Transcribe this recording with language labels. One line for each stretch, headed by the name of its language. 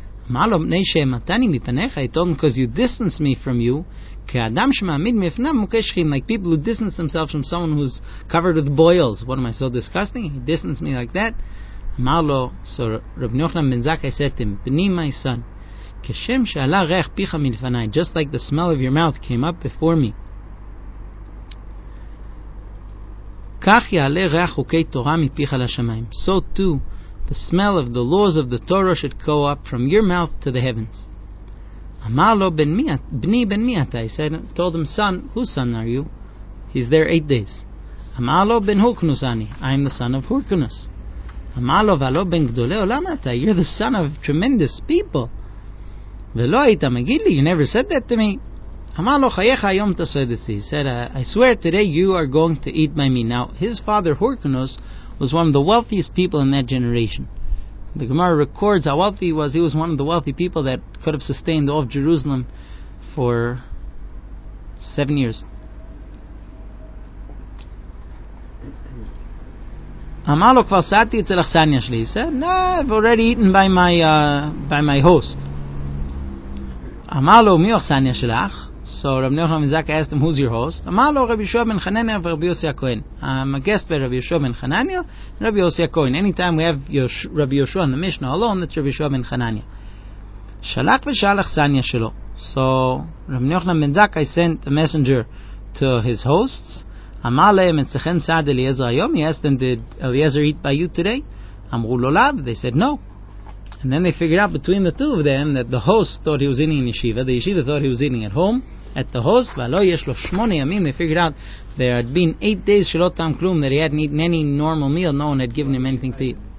English: Because you distance me from you, like people who distance themselves from someone who's covered with boils. What am I so disgusting? He distanced me like that. So Rabbi Yochanan ben Zakkai said to him, "Bni, my son,
Hebrew: כשם שעלה ריח פיך מלפני,
English: just like the smell of your mouth came up before me,
Hebrew: כך יעלה ריח חוקי תורה מפיך לשמיים.
English: So too, the smell of the laws of the Torah should go up from your mouth to the heavens.
Hebrew: אמר לו, בני, בן מי אתה?
English: He said, told him, son, whose son are you? He's there 8 days.
Hebrew: אמר לו, בן הורקנוס אני.
English: I'm the son of Hurkanus.
Hebrew: אמר לו, ולא בן גדולי עולם אתה?
English: You're the son of tremendous people.
Hebrew: ולא היית מגיד לי,
English: you never said that to me.
Hebrew: אמר לו, חייך היום תסויד אצלי.
English: He said, I swear today you are going to eat by me. Now, his father, Hurkanus, was one of the wealthiest people in that generation. The Gemara records how wealthy he was. He was one of the wealthy people that could have sustained all of Jerusalem for 7 years.
Hebrew: אמר לו, כבר סעתי אצל אכסניה שלי.
English: He said, no, I've already eaten by my host.
Hebrew: אמר לו, מי אכסניה שלך?
English: So Rabbi Nochman ben Zakkai asked him, who's your host?
Hebrew: אמר לו, רבי יהושע בן חנניה ורבי יוסי הכהן.
English: I'm a guest by Rabbi Yehoshua ben Hananiah and Rabbi Yosi HaKohen. Anytime we have Rabbi Yehoshua in the Mishnah alone, that's Rabbi Yehoshua ben Hananiah.
Hebrew: שלח ושאל אכסניה שלו.
English: So Rabbi Nochman ben Zakkai sent a messenger to his hosts.
Hebrew: אמר להם, אצלכם סעד אליעזר היום?
English: He asked them, did Eliezer eat by you today?
Hebrew: אמרו לו לאו,
English: they said no. And then they figured out between the two of them that the host thought he was eating in yeshiva, the yeshiva thought he was eating at home, at the host,
Hebrew: ולא יש לו 8 ימים.
English: They figured out there had been 8 days
Hebrew: שלא טעם כלום,
English: that he hadn't eaten any normal meal, no one had given him anything to eat.